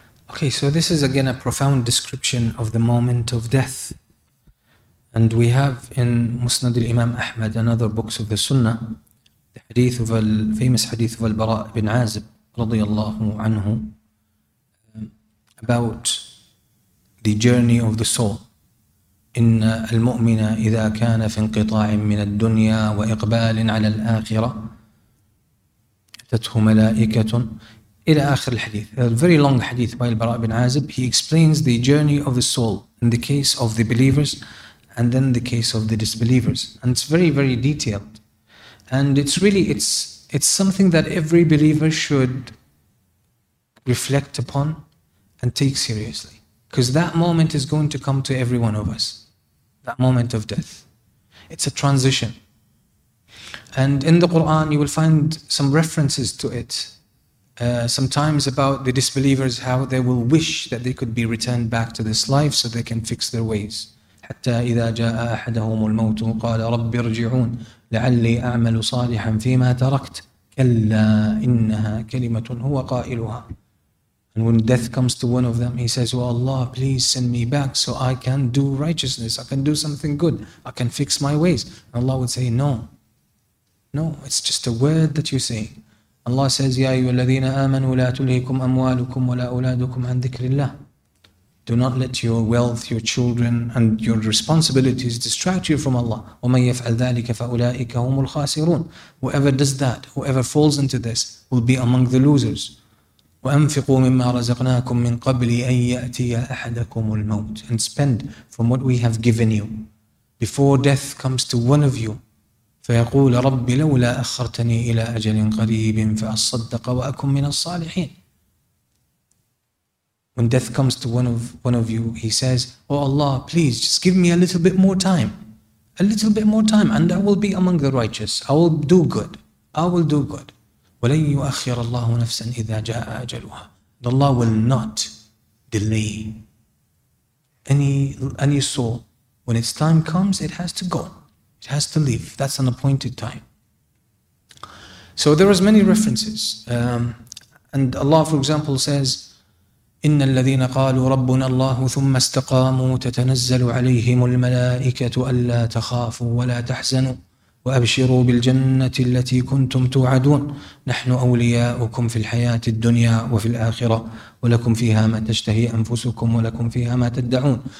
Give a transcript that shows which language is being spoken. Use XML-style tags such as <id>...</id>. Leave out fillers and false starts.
<en>Okay, so this is again a profound description of the moment of death. And we have in Musnad al-Imam Ahmad and other books of the Sunnah, حديث famous حديث البراء بن عازب</en> <ar>رضي الله عنه</ar> <en>about the journey of the soul.</en> <ar>إن المؤمن إذا كان في انقطاع من الدنيا وإقبال على الآخرة أتته ملائكة إلى آخر الحديث.</ar> <en>A very long حديث by البراء بن عازب. He explains the journey of the soul in the case of the believers and then the case of the disbelievers, and it's very very detailed. And it's really, it's something that every believer should reflect upon and take seriously. Because that moment is going to come to every one of us, that moment of death. It's a transition. And in the Quran, you will find some references to it. Sometimes about the disbelievers, how they will wish that they could be returned back to this life so they can fix their ways.</en> <ar>حتى إذا جاء أحدهم الموت قال رب ارجعون لعلي أعمل صالحا فيما تركت كلا إنها كلمة هو قائلها.</ar> <en>And when death comes to one of them, he says, oh Allah, please send me back so I can do righteousness, I can do something good, I can fix my ways. And Allah would say, no, it's just a word that you say. Allah says,</en> <ar>يا أيها الذين آمنوا لا تلهكم أموالكم ولا أولادكم عن ذكر الله.</ar> <en>Do not let your wealth, your children, and your responsibilities distract you from Allah.</en> <ar>وَمَنْ يَفْعَلْ ذَٰلِكَ فَأُولَٰئِكَ هُمُ الْخَاسِرُونَ.</ar> <en>Whoever does that, whoever falls into this, will be among the losers.</en> <ar>وَأَنْفِقُوا مِمَّا رَزَقْنَاكُمْ مِنْ قَبْلِ أَنْ يَأْتِيَ أَحَدَكُمُ الْمَوْتِ.</ar> <en>And spend from what we have given you before death comes to one of you.</en> <ar>فَيَقُولَ رَبِّ لَوْلَا أَخَّرْتَنِي إِلَىٰ أَجَلٍ قَرِيبٍ فَأَصَّدَّقَ وَأَكُمْ مِنَ الصَّالِحِينَ.</ar> <en>When death comes to one of you, he says, "Oh Allah, please just give me a little bit more time. A little bit more time and I will be among the righteous. I will do good. I will do good."</en> <ar>وَلَنْ يُؤَخِّرَ اللَّهُ نَفْسًا إِذَا جَاءَ أَجَلُهَا.</ar> <en>Allah will not delay any soul. When its time comes, it has to go. It has to leave. That's an appointed time. So there are many references. And Allah, for example, says,</en> <ar>إِنَّ الَّذِينَ قَالُوا رَبُّنَا اللَّهُ ثُمَّ اسْتَقَامُوا تَتَنَزَّلُ عَلَيْهِمُ الْمَلَائِكَةُ أَلَّا تَخَافُوا وَلَا تَحْزَنُوا وَأَبْشِرُوا بِالْجَنَّةِ الَّتِي كُنْتُمْ تُوعَدُونَ نَحْنُ أَوْلِيَاؤُكُمْ فِي الْحَيَاةِ الدُّنْيَا وَفِي الْآخِرَةِ وَلَكُمْ فِيهَا مَا تَشْتَهِي أَنفُسُكُمْ وَلَكُمْ فِيهَا مَا تَدَّعُونَ.</ar>